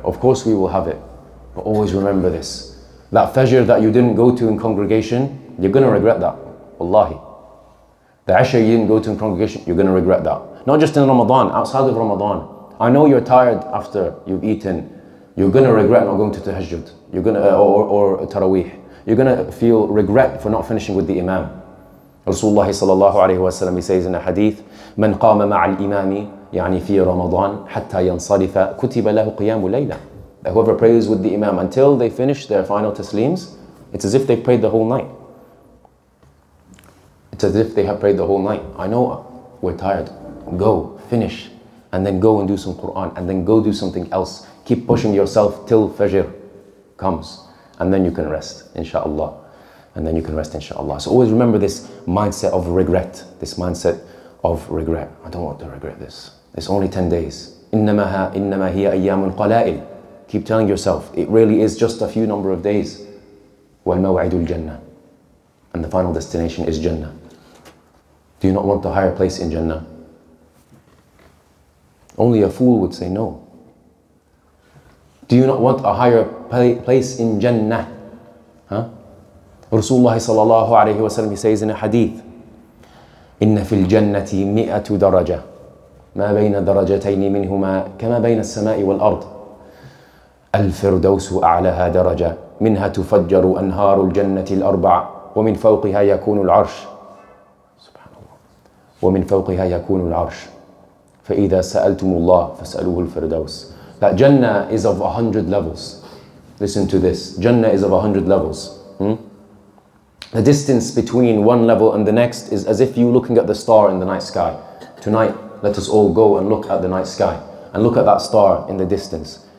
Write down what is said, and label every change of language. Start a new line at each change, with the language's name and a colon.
English: Of course we will have it, but always remember this. That fajr that you didn't go to in congregation, you're gonna regret that, wallahi. The Isha you didn't go to in congregation, you're going to regret that. Not just in Ramadan, outside of Ramadan. I know you're tired after you've eaten. You're going to regret not going to Tahajjud. You're going to, or Taraweeh. You're going to feel regret for not finishing with the Imam.
Arabic: Rasulullah sallallahu alayhi wa sallam,
English: he says in a hadith,
Arabic: من قام مع الإمام يعني في رمضان حتى ينصرف كتب له قيام ليلة.
English: Whoever prays with the Imam until they finish their final taslims, it's as if they prayed the whole night. It's as if they have prayed the whole night. I know we're tired. Go, finish. And then go and do some Quran. And then go do something else. Keep pushing yourself till Fajr comes. And then you can rest, inshallah. And then you can rest, inshallah. So always remember this mindset of regret. This mindset of regret. I don't want to regret this. It's only 10 days.
Arabic: إِنَّمَا هِيَ أَيَّامٌ قَلَائِلٌ.
English: Keep telling yourself, it really is just a few number of days.
Arabic: وَالْمَوَعِدُ الْجَنَّةِ.
English: And the final destination is Jannah. Do you not want the higher place in Jannah? Only a fool would say no. Do you not want a higher place in Jannah? Huh?
Arabic: Rasulullah sallallahu alayhi wa sallam,
English: he says in a hadith,
Arabic: إِنَّ فِي الْجَنَّةِ مِئَةُ دَرَجَةِ مَا بَيْنَ دَرَجَتَيْنِ مِنْهُمَا كَمَا بَيْنَ السَّمَاءِ وَالْأَرْضِ الْفِرْدَوْسُ أَعْلَهَا دَرَجَةً مِنْهَا تُفَجَّرُ أَنْهَارُ الْجَنَّةِ الْأَرْبَعَةِ وَمِنْ فَوْقِهَا يَكُونُ الْعَرْشِ سبحان الله وَمِنْ فَوْقِهَا يَكُونُ الْعَرْشِ فَإِذَا سَأَلْتُمُ اللَّهِ فَاسْأَلُوهُ الْفِرْدَوْسِ.
English: That Jannah is of 100 levels. Listen to this. Jannah is of 100 levels. The distance between one level and the next is as if you looking at the star in the night sky. Tonight, let us all go and look at the night sky and look at that star in the distance.